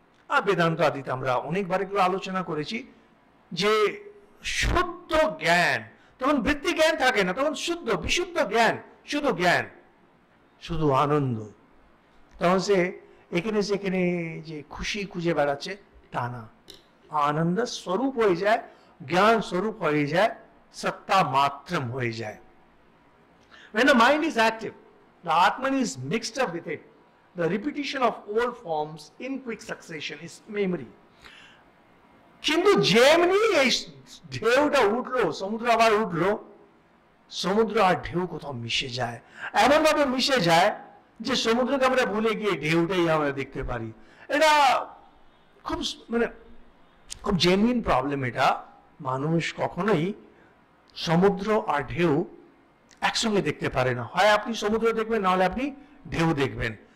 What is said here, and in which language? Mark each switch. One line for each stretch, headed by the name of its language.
Bangla: আর বেদান্ত আদিতে আমরা অনেকবার এগুলো আলোচনা করেছি যে শুদ্ধ জ্ঞান, তখন বৃত্তি জ্ঞান থাকে না, তখন শুদ্ধ বিশুদ্ধ জ্ঞান, শুধু জ্ঞান, শুধু আনন্দ। তখন সে এখানে সেখানে যে খুশি খুঁজে বেড়াচ্ছে তা না, আনন্দ স্বরূপ হয়ে যায়, জ্ঞান স্বরূপ হয়ে যায়, সত্তা মাত্রম হয়ে যায়।
English: When the mind is active, the Atman is mixed up with it. The repetition of old forms in quick succession is memory.
Bangla: কিন্তু যেমনি এই ঢেউটা উঠলো, সমুদ্র আবার উঠলো, সমুদ্র আর ঢেউ কোথাও মিশে যায়, এমনভাবে মিশে যায় যে সমুদ্রকে আমরা ভুলে গিয়ে ঢেউটাই আমরা দেখতে পারি। এটা খুব মানে খুব জেনুইন প্রবলেম, এটা মানুষ কখনোই সমুদ্র আর ঢেউ একসঙ্গে দেখতে পারে না, হয় আপনি সমুদ্র দেখবেন নাহলে আপনি ঢেউ দেখবেন।